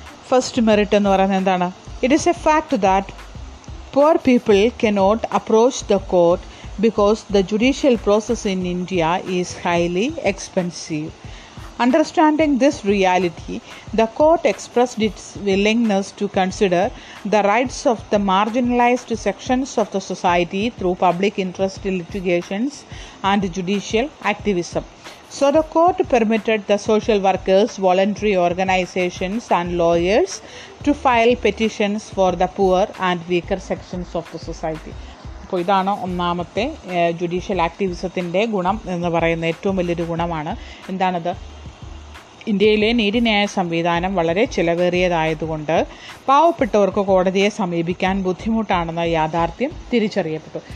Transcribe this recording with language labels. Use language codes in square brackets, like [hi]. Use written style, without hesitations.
[ml] First merit എന്ന് പറയുന്നത് എന്താണ്? [en] It is a fact that poor people cannot approach the court because the judicial process in India is highly expensive. Understanding this reality, the court expressed its willingness to consider the rights of the marginalized sections of the society through public interest litigations and judicial activism. So the court permitted the social workers, voluntary organizations and lawyers to file petitions for the poor and weaker sections of the society. [ml] അപ്പോൾ ഇതാണ് ഒന്നാമത്തെ judicial ആക്ടിവിസത്തിൻ്റെ ഗുണം എന്ന് പറയുന്ന ഏറ്റവും വലിയൊരു ഗുണമാണ്. എന്താണത്? ഇന്ത്യയിലെ നീതിന്യായ സംവിധാനം വളരെ ചിലവേറിയതായതുകൊണ്ട് പാവപ്പെട്ടവർക്ക് കോടതിയെ സമീപിക്കാൻ ബുദ്ധിമുട്ടാണെന്ന യാഥാർത്ഥ്യം തിരിച്ചറിയപ്പെട്ടു.